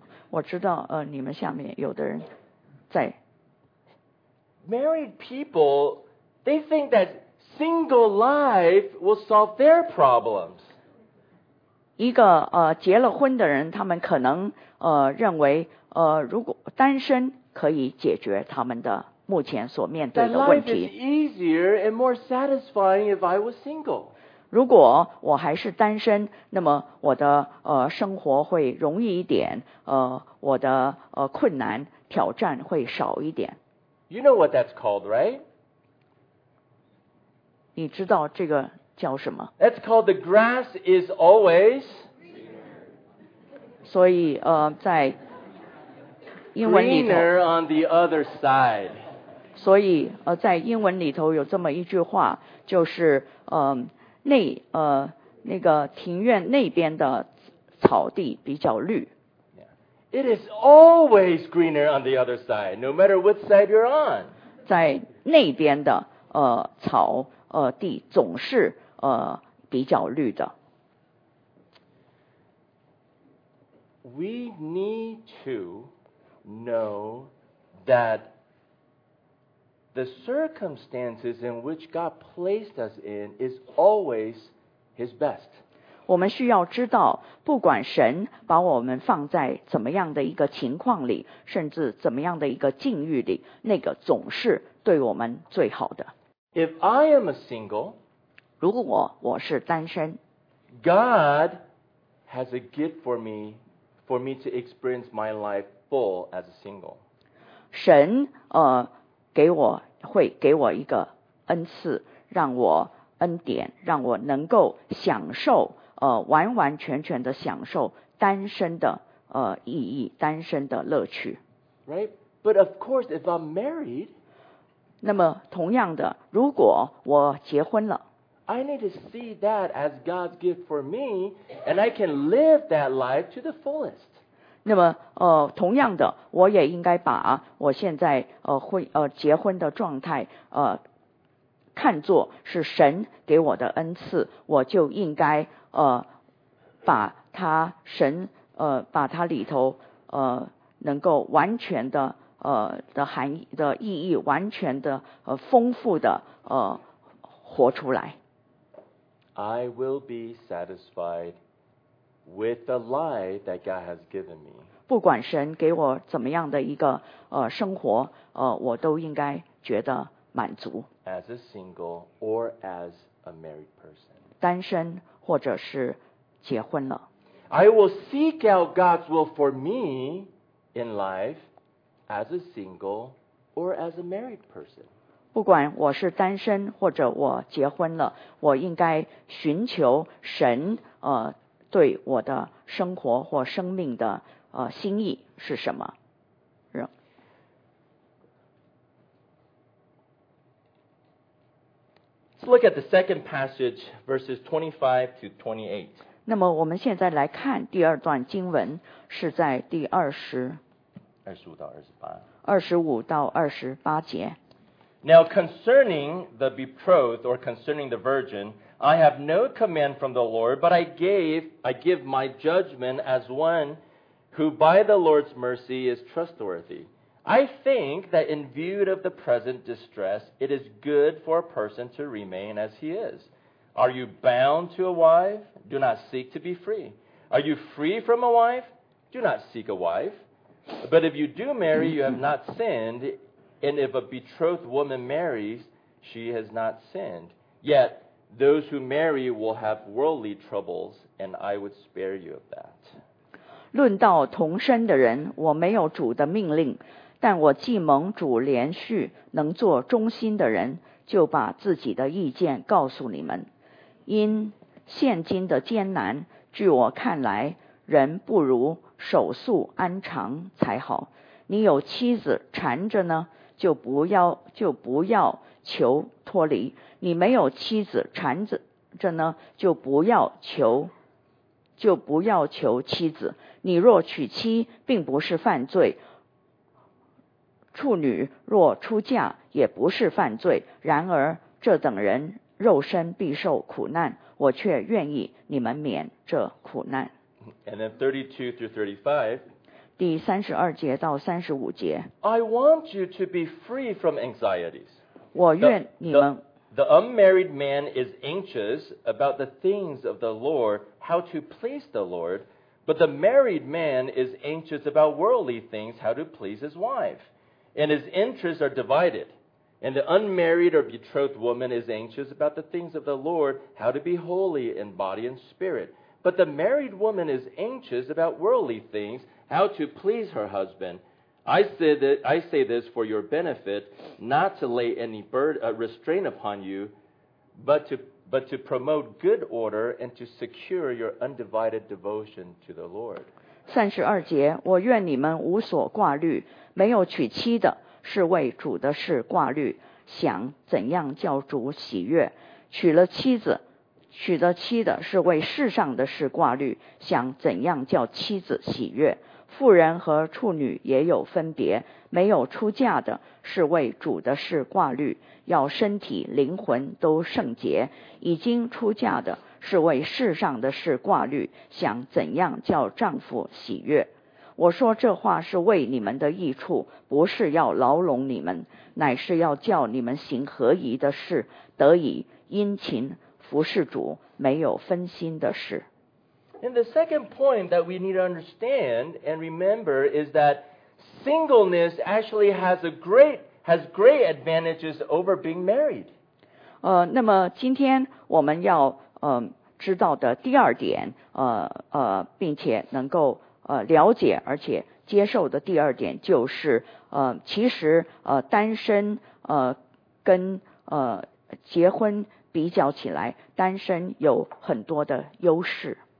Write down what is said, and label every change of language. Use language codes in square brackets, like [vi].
[zh] 我知道你们下面有的人在。 [en] Married people, they think that single life will solve their problems. [zh] 一个结了婚的人，他们可能认为如果单身可以解决他们的目前所面对的问题。 [en] That life is easier and more satisfying if I was single. [zh] 如果我还是单身，那么我的生活会容易一点，我的困难挑战会少一点。 [en] You know what that's called, right? [zh] 你知道这个叫什么？ [en] That's called the grass is always greener. [zh] 所以在英文里头 [en] greener on the other side. [zh] 所以在英文里头有这么一句话，就是那个庭院那边的草地比较绿。 [en] It is always greener on the other side, no matter what side you're on. [zh] 在那边的草地总是比较绿的。 [en] We need to know that the circumstances in which God placed us in is always His best. [zh] 我们需要知道，不管神把我们放在怎么样的一个情况里，甚至怎么样的一个境遇里，那个总是对我们最好的。 [en] If I am a single, [zh] 如果我是单身， [en] God has a gift for me to experience my life full as a single. [zh] 神给我会给我一个恩赐，让我恩典，让我能够享受完完全全的享受单身的意义，单身的乐趣。 [en] Right, but of course, if I'm married. [zh] 那么同样的，如果我结婚了。 [en] I need to see that as God's gift for me, and I can live that life to the fullest. [zh] 那么同样的，我也应该把我现在结婚的状态看作是神给我的恩赐，我就应该把他神把他里头能够完全的的含的意义完全的丰富的活出来。 [en] I will be satisfied with the life that God has given me. [zh] 不管神给我怎么样的一个生活，我都应该觉得满足。 [en] As a single or as a married person. [zh] 单身或者是结婚了。 [en] I will seek out God's will for me in life as a single or as a married person. [zh] 不管我是单身或者我结婚了，我应该寻求神对我的生活或生命的心意是什么。 [en] Let's look at the second passage, verses 25 to 28. [zh] 那么我们现在来看第二段经文，是在第25到28节。 [en] Now concerning the betrothed or concerning the virgin, I have no command from the Lord, but I give my judgment as one who by the Lord's mercy is trustworthy. I think that in view of the present distress, it is good for a person to remain as he is. Are you bound to a wife? Do not seek to be free. Are you free from a wife? Do not seek a wife. But if you do marry, you have not sinned. And if a betrothed woman marries, she has not sinned. Yet those who marry will have worldly troubles, and I would spare you of that. [zh] 论到同身的人，我没有主的命令，但我既蒙主连续能做忠心的人，就把自己的意见告诉你们。因现今的艰难，据我看来，人不如守素安常才好。你有妻子缠着呢，就不要求脱离；你没有妻子缠着呢，就不要求妻子。你若娶妻，并不是犯罪；处女若出嫁，也不是犯罪。然而这等人肉身必受苦难，我却愿意你们免这苦难。 [en] And then 32 through 35. [zh] 第三十二节到三十五节。 [en] I want you to be free from anxieties. [zh] 我愿你们。 [en] The unmarried man is anxious about the things of the Lord, how to please the Lord, but the married man is anxious about worldly things, how to please his wife. And his interests are divided. And the unmarried or betrothed woman is anxious about the things of the Lord, how to be holy in body and spirit. But the married woman is anxious about worldly things,How to please her husband. I say this for your benefit, not to lay any restraint upon you, but to promote good order and to secure your undivided devotion to the Lord. [zh] 32节，我愿你们无所挂虑，没有娶妻的，是为主的事挂虑，想怎样叫主喜悦。娶了妻子，娶了妻的是为世上的事挂虑，想怎样叫妻子喜悦。妇人和处女也有分别，没有出嫁的是为主的事挂虑，要身体灵魂都圣洁。已经出嫁的是为世上的事挂虑，想怎样叫丈夫喜悦。我说这话是为你们的益处，不是要牢笼你们，乃是要叫你们行合宜的事，得以殷勤服侍主，没有分心的事。 [en] And the second point that we need to understand and remember is that singleness actually has great advantages over being married. [zh] 那么今天我们要知道的第二点，并且能够了解而且接受的第二点就是，其实单身跟结婚比较起来，单身有很多的优势。